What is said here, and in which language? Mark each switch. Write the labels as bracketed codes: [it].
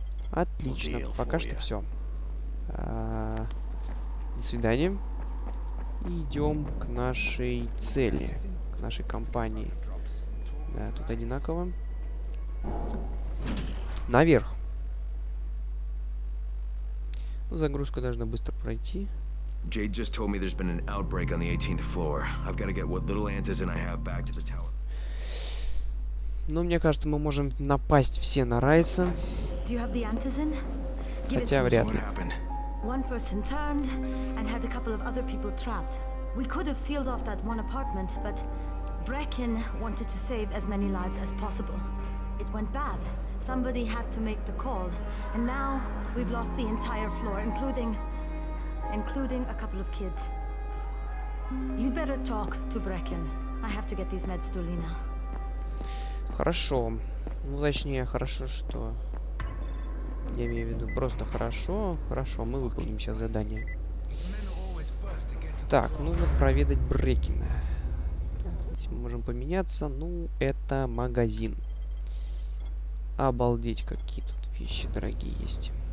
[ru] Отлично. Пока что все. До свидания. Идем к нашей цели. К нашей компании. Да, тут одинаково. Наверх. Ну, загрузка должна быстро пройти. [en] Jade just told me there's been an outbreak on the 18th floor. I've got to get what little antizin I have back to the tower. [ru] Но мне кажется, мы можем напасть все на Райса. [en] Do you have the antizin? [ru] Хотя вряд ли. [en] One person turned and had a couple of other people trapped. We could have sealed off that one apartment, but Brecken wanted to save as many lives as possible. It went bad. Somebody had to make the call, and now we've lost the entire floor, including. Including a couple of kids. You'd better talk to Brecken. I have to get these meds to Lena. [ru] Хорошо. Ну, точнее, хорошо, что... Я имею в виду, просто хорошо. Хорошо, мы выполним сейчас задание. Так, нужно проведать Брекена. Мы можем поменяться. Ну, это магазин. Обалдеть, какие тут вещи дорогие есть.